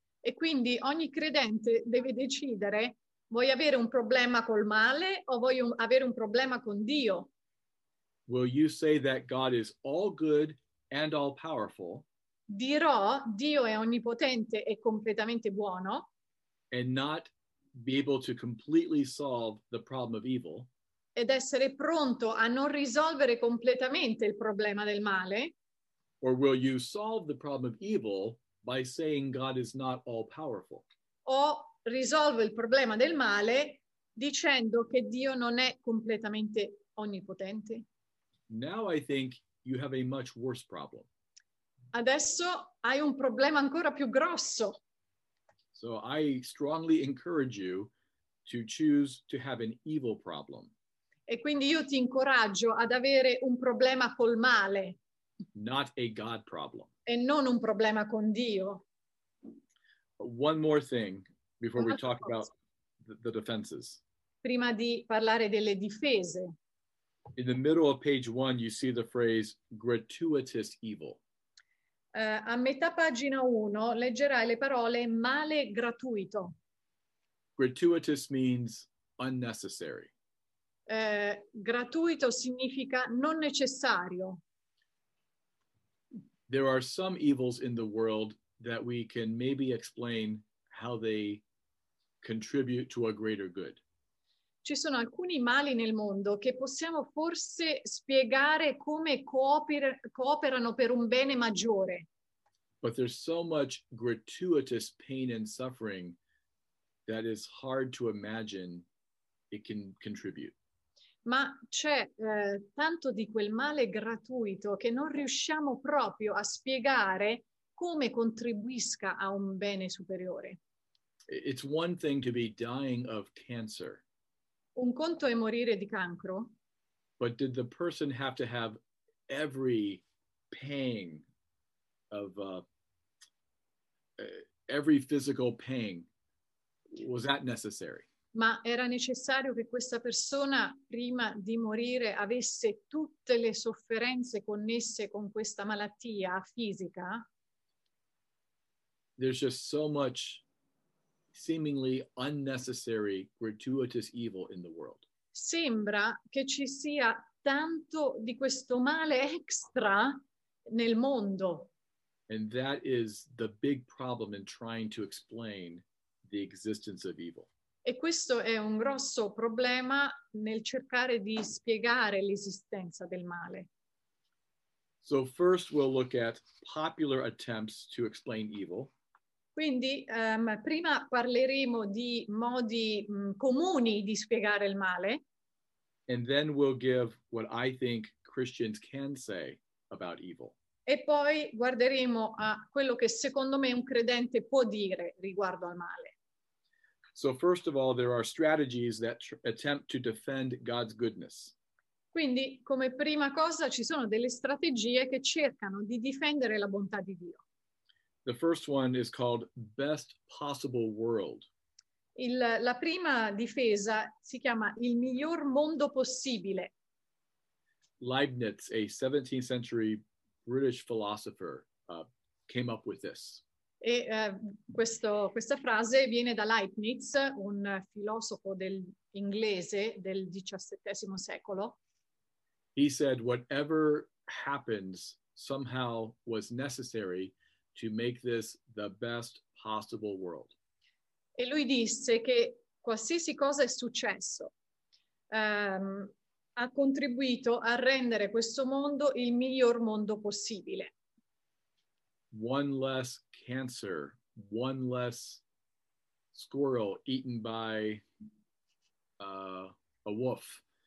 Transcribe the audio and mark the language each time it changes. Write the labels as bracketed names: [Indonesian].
[Italian] E quindi ogni credente deve decidere, vuoi avere un problema col male o vuoi avere un problema con Dio? [English] Will you say that God is all good and all powerful? [Italian] Dirò, Dio è onnipotente e completamente buono. [English] And not be able to completely solve the problem of evil. [Italian] Ed essere pronto a non risolvere completamente il problema del male. [English] Or will you solve the problem of evil by saying God is not all powerful? [Italian] O risolvo il problema del male dicendo che Dio non è completamente onnipotente? [English] Now I think you have a much worse problem. [Italian] Adesso hai un problema ancora più grosso. [English] So I strongly encourage you to choose to have an evil problem. [Italian] E quindi io ti incoraggio ad avere un problema col male. [English] Not a God problem. [Italian] E non un problema con Dio. [English] One more thing before we talk about the defenses. [Italian] Prima di parlare delle difese. [English] In the middle of page one, you see the phrase gratuitous evil. [Italian] A metà pagina 1 leggerai le parole male gratuito. [English] Gratuitous means unnecessary. [Italian] Gratuito significa non necessario. [English] There are some evils in the world that we can maybe explain how they contribute to a greater good. [Italian] Ci sono alcuni mali nel mondo che possiamo forse spiegare come cooperano per un bene maggiore. [English] But there's so much gratuitous pain and suffering that is hard to imagine it can contribute. [Italian] Ma c'è tanto di quel male gratuito che non riusciamo proprio a spiegare come contribuisca a un bene superiore. [English] It's one thing to be dying of cancer. [Italian] Un conto è morire di cancro. [English] But did the person have to have every pang of every physical pain? Was that necessary? [Italian] Ma era necessario che questa persona prima di morire avesse tutte le sofferenze connesse con questa malattia fisica? [English] There's just so much seemingly unnecessary gratuitous evil in the world. [Italian] Sembra che ci sia tanto di questo male extra nel mondo. [English] And that is the big problem in trying to explain the existence of evil. [Italian] E questo è un grosso problema nel cercare di spiegare l'esistenza del male. [English] So first we'll look at popular attempts to explain evil. [Italian] Quindi prima parleremo di modi comuni di spiegare il male. [English] And then we'll give what I think Christians can say about evil. [Italian] E poi guarderemo a quello che secondo me un credente può dire riguardo al male. [English] So first of all, there are strategies that attempt to defend God's goodness. [Italian] Quindi, come prima cosa, ci sono delle strategie che cercano di difendere la bontà di Dio. [English] The first one is called best possible world. [Italian] La prima difesa si chiama il miglior mondo possibile. [English] Leibniz, a 17th century British philosopher, came up with this. [Italian] E questa frase viene da Leibniz, un filosofo inglese del XVII secolo. [English] He said whatever happens somehow was necessary to make this the best possible world. [Italian] E lui disse che qualsiasi cosa è successo ha contribuito a rendere questo mondo il miglior mondo possibile. [English] One less cancer, one less squirrel eaten by a wolf.